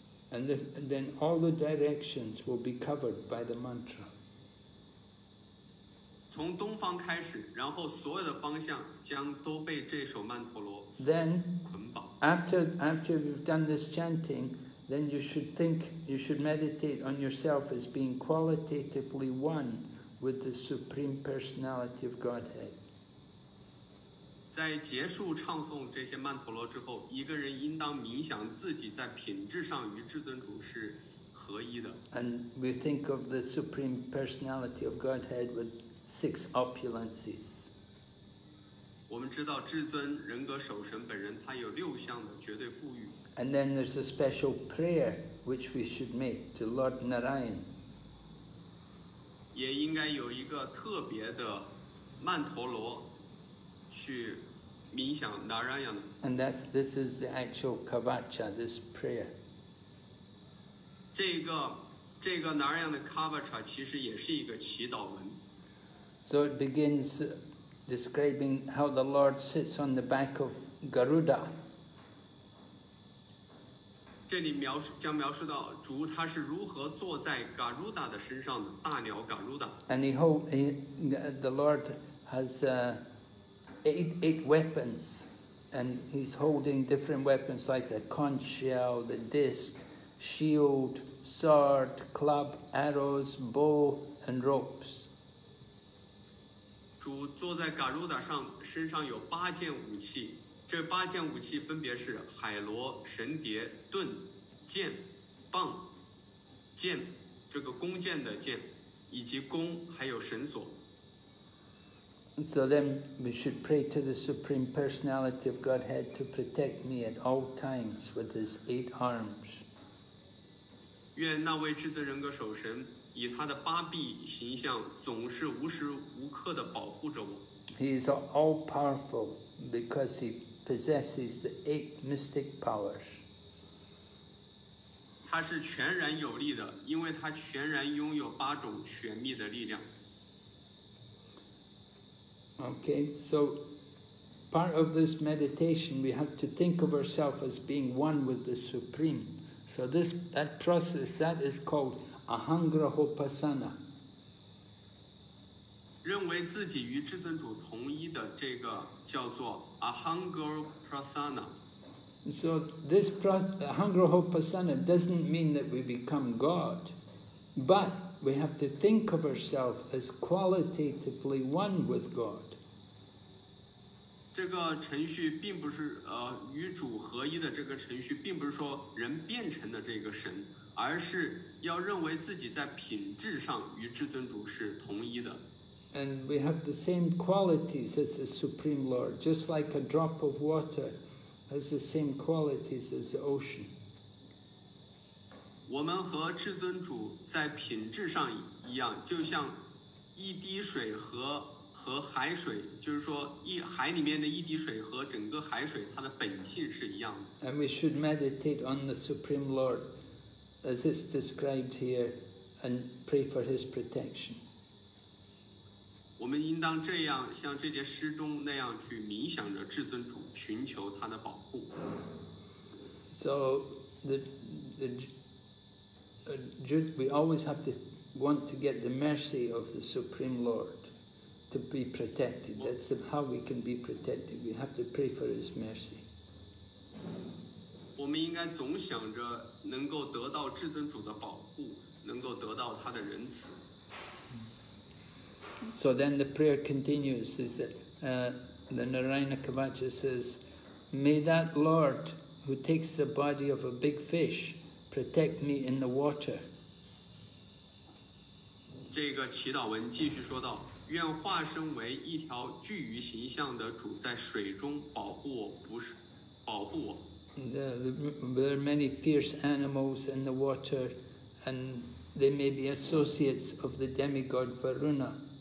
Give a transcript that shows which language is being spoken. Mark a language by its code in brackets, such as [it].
[en] And then all the directions will be covered by the mantra. [zh] 从东方开始，然后所有的方向将都被这首曼陀罗捆绑。 [en] Then, after you've done this chanting, then you should think, you should meditate on yourself as being qualitatively one with the Supreme Personality of Godhead. [zh] 在结束唱诵这些曼陀罗之后，一个人应当冥想自己在品质上与至尊主是合一的。 [en] And we think of the Supreme Personality of Godhead with six opulences. [zh] 我们知道至尊人格守神本人他有六项的绝对富裕。 [en] And then there's a special prayer which we should make to Lord Narayan. [zh] 也应该有一个特别的曼陀罗去冥想 Narayan。 [en] And this is the actual Kavacha, this prayer. [zh] 这个 Narayan 的 Kavacha 其实也是一个祈祷文。 [en] So it begins describing how the Lord sits on the back of Garuda. [zh] 这里描述到主他是如何坐在 Garuda 的身上的，大鸟 Garuda. [en] And the Lord has eight weapons, and he's holding different weapons like the conch shell, the disc, shield, sword, club, arrows, bow, and ropes. [zh] 主坐在 Garuda 上，身上有八件武器，这八件武器分别是海螺、神蝶、盾、剑、棒、剑，这个弓箭的箭，以及弓，还有绳索。 [en] So then we should pray to the Supreme Personality of Godhead to protect me at all times with his eight arms. [zh] 愿那位至尊人格守神以他的八臂形象总是无时无刻地保护着我。 [en] He is all powerful because he possesses the eight mystic powers. [zh] 他是全然有力的，因为他全然拥有八种玄秘的力量。 [en] Okay, so part of this meditation, we have to think of ourselves as being one with the Supreme. So this, that process, that is called Ahangrahopasana. [zh] 认为自己与至尊主同一的这个叫做 Ahangrahopasana. [en] So this process, Ahangrahopasana doesn't mean that we become God, but we have to think of ourselves as qualitatively one with God. [zh] 这个程序并不是与主合一的这个程序并不是说人变成的这个神而是要认为自己在品质上与至尊主是同一的 [en] And we have the same qualities as the Supreme Lord just like a drop of water has the same qualities as the ocean [zh] 我们和至尊主在品质上一样就像一滴水和海水，就是说一海里面的一滴水和整个海水，它的本性是一样的。 [en] And we should meditate on the Supreme Lord, as it's described here, and pray for His protection. [zh] 我们应当这样，像这节诗中那样去冥想着至尊主，寻求他的保护。 [en] So we always have to want to get the mercy of the Supreme Lord. To be protected. That's how we can be protected. We have to pray for His mercy. [zh] 我们应该总想着能够得到至尊主的保护，能够得到他的仁慈。 [en] So then the prayer continues. Is that the Narayana Kavacha says, "May that Lord who takes the body of a big fish protect me in the water." [zh] 这个祈祷文继续说道。愿化身为一条巨鱼形象的主在水中保护我，不是保护我。 [en] There are many fierce animals in the water, and they may be associates of the demigod Varuna.